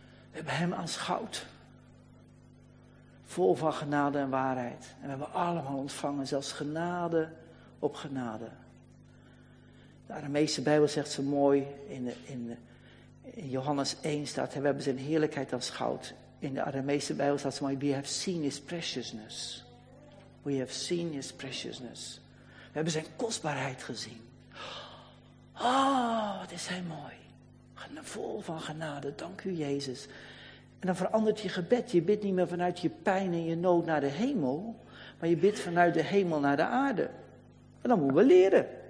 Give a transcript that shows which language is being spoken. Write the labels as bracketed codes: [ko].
[nl] We hebben hem aanschouwd. Vol van genade en waarheid. En we hebben allemaal ontvangen, zelfs genade op genade. De Arameese Bijbel zegt zo mooi in Johannes 1 staat, we hebben zijn heerlijkheid aanschouwd. In de Arameese Bijbel staat zo mooi, [en] we have seen his preciousness. We have seen his preciousness. [nl] We hebben zijn kostbaarheid gezien. Oh, wat is hij mooi. Vol van genade, dank u Jezus. En dan verandert je gebed. Je bidt niet meer vanuit je pijn en je nood naar de hemel, maar je bidt vanuit de hemel naar de aarde. En dan moeten we leren.